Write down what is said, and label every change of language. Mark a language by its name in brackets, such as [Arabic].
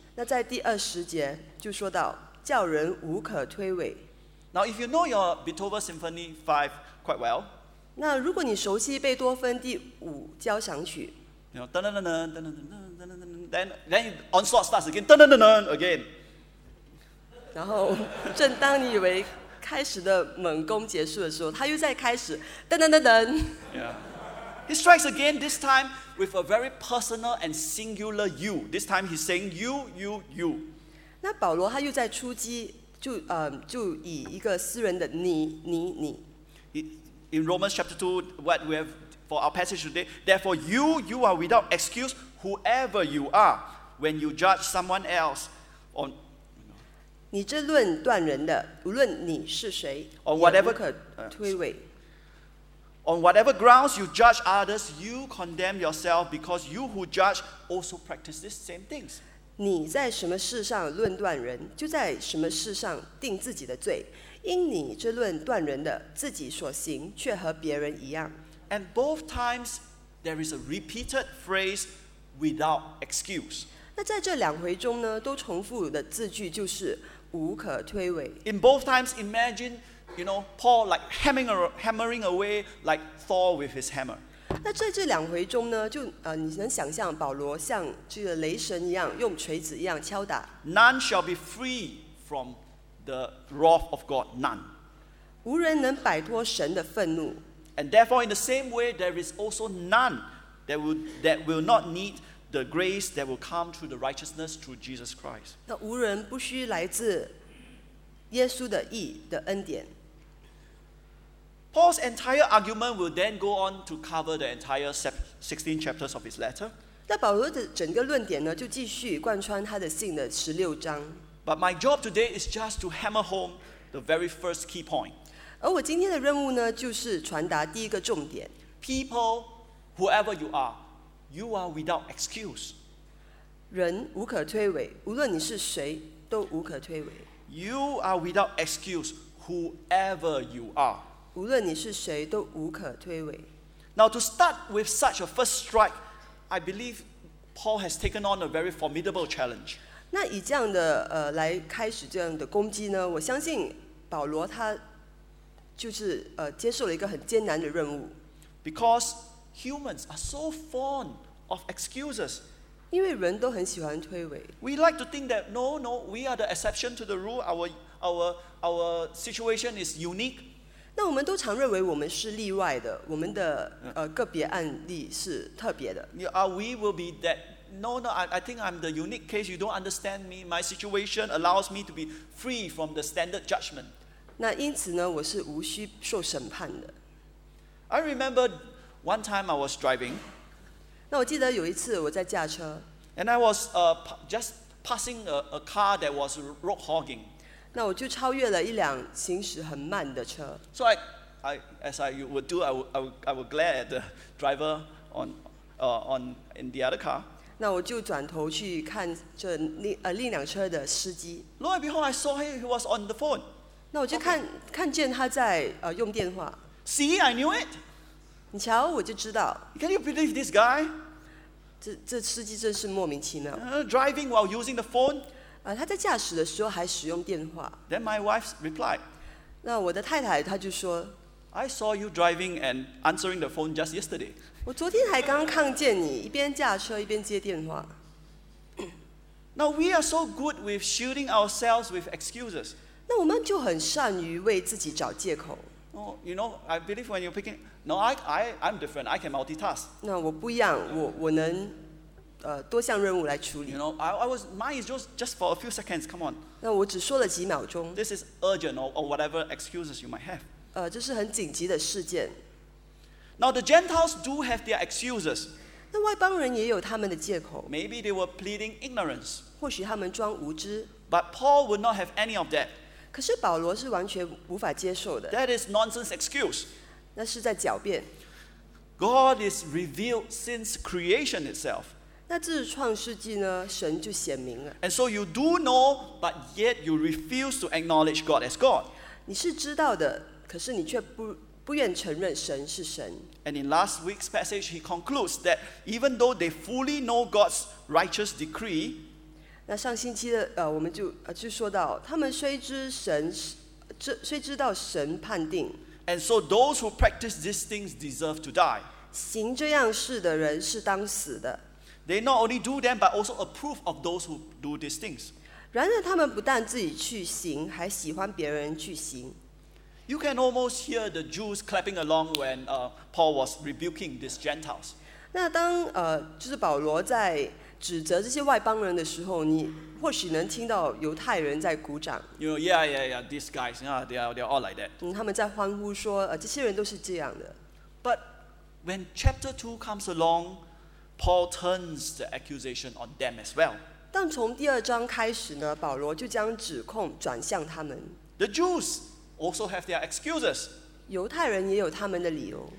[Chinese] 那在第二十节就说到，叫人无可推诿。 [English] Now if you know your Beethoven Symphony 5 quite well, [Chinese] 那如果你熟悉贝多芬第五交响曲， [English] You know, then onslaught starts again. Again. [Chinese] 然后，正当你以为开始的猛攻结束的时候，他又再开始， [English] He strikes again. This time with a very personal and singular you. This time he's saying you. [Chinese] 那保罗他又在出击，就以一个私人的你。 [English] In Romans chapter 2, what we have for our passage today, therefore you are without excuse, whoever you are, when you judge someone else on. [Chinese] 你这论断人的，无论你是谁， [English] on whatever, [Chinese] 也无可推诿。 [English] On whatever grounds you judge others, you condemn yourself because you who judge also practice these same things. [Chinese] 你在什么事上论断人，就在什么事上定自己的罪。因你这论断人的，自己所行却和别人一样。 [English] And both times there is a repeated phrase without excuse. [Chinese] 那在这两回中呢，都重复的字句就是无可推诿。 [English] In both times, imagine, you know, Paul like hammering away like Thor with his hammer. [Chinese] 那在这两回中呢，就你能想象保罗像这个雷神一样，用锤子一样敲打。 [English] None shall be free from the wrath of God, none. [Chinese] 无人能摆脱神的愤怒。 [English] And therefore, in the same way, there is also none that will not need the grace that will come through the righteousness through Jesus Christ. [Chinese] 那无人不需来自耶稣的义的恩典。 [English] Paul's entire argument will then go on to cover the entire 16 chapters of his letter. [Chinese] 那保罗的整个论点呢，就继续贯穿他的信的十六章。 [English] But my job today is just to hammer home the very first key point. [Chinese] 而我今天的任务呢，就是传达第一个重点。 [English] People, whoever you are without excuse. [Chinese] 人无可推诿，无论你是谁，都无可推诿。 [English] You are without excuse, whoever you are. [Chinese] 无论你是谁，都无可推诿。 [English] Now to start with such a first strike, I believe Paul has taken on a very formidable challenge. [Chinese] 那以这样的来开始这样的攻击呢，我相信保罗他就是接受了一个很艰难的任务。 [English] Because humans are so fond of excuses. [Chinese] 因为人都很喜欢推诿。 [English] We like to think that no, we are the exception to the rule, our situation is unique. [Chinese] 那我们都常认为我们是例外的，我们的个别案例是特别的。 [English] We will be that. No, I think I'm the unique case. You don't understand me. My situation allows me to be free from the standard judgment. [Chinese] 那因此呢，我是无需受审判的。 [English] I remember one time I was driving. [Chinese] 那我记得有一次我在驾车。 [English] And I was just passing a car that was road hogging. [Chinese] 那我就超越了一辆行驶很慢的车。 [English] So I as I would do, I would glare at the driver on in the other car. [Chinese] 那我就转头去看这另辆车的司机。 [English] Lo and behold, I saw him. He was on the phone. [Chinese] 那我就看、okay. 看见他在用电话。 [English] See, I knew it. [Chinese] 你瞧，我就知道。 [English] Can you believe this guy? [Chinese] 这司机真是莫名其妙。 [English] Driving while using the phone. [Chinese] 他在驾驶的时候还使用电话。 [English] Then my wife replied. [Chinese] 那我的太太她就说。 [English] I saw you driving and answering the phone just yesterday. [Chinese] 我昨天还刚看见你一边驾车一边接电话。 [English] Now we are so good with shielding ourselves with excuses. [Chinese] 那我们就很善于为自己找借口。 [English] Oh, you know, I believe when you're picking. No, I'm different. I can multitask. [Chinese] 那我不一样，我能多项任务来处理。 [English] You know, mine is just for a few seconds. Come on. [Chinese] 那我只说了几秒钟。 [English] This is urgent or whatever excuses you might have. [Chinese] 这是很紧急的事件。 [English] Now the Gentiles do have their excuses. [Chinese] 那外邦人也有他们的借口。 [English] Maybe they were pleading ignorance. [Chinese] 或许他们装无知。 [English] But Paul would not have any of that. [Chinese] 可是保罗是完全无法接受的。 [English] That is nonsense excuse. [Chinese] 那是在狡辩。 [English] God is revealed since creation itself. [Chinese] 那自创世纪呢，神就显明了。 [English] And so you do know, but yet you refuse to acknowledge God as God. [Chinese] 你是知道的。可是你却不愿承认神是神。 [English] And in last week's passage, he concludes that even though they fully know God's righteous decree, [Chinese] 那上星期的我们就说到，他们虽知道神判定 [English] ，and so those who practice these things deserve to die. [Chinese] 行这样事的人是当死的。 [English] They not only do them, but also approve of those who do these things. [Chinese] 然而他们不但自己去行，还喜欢别人去行。 [English] You can almost hear the Jews clapping along when Paul was rebuking these Gentiles. [Chinese] 那当就是保罗在指责这些外邦人的时候，你或许能听到犹太人在鼓掌。 [English] You know, yeah, yeah, yeah, these guys, yeah, they are all like that. [Chinese] 他们在欢呼说，这些人都是这样的。 [English] But when chapter 2 comes along, Paul turns the accusation on them as well. [Chinese] 但从第二章开始呢，保罗就将指控转向他们。 [English] The Jews also have their excuses. [Chinese] 犹太人也有他们的理由。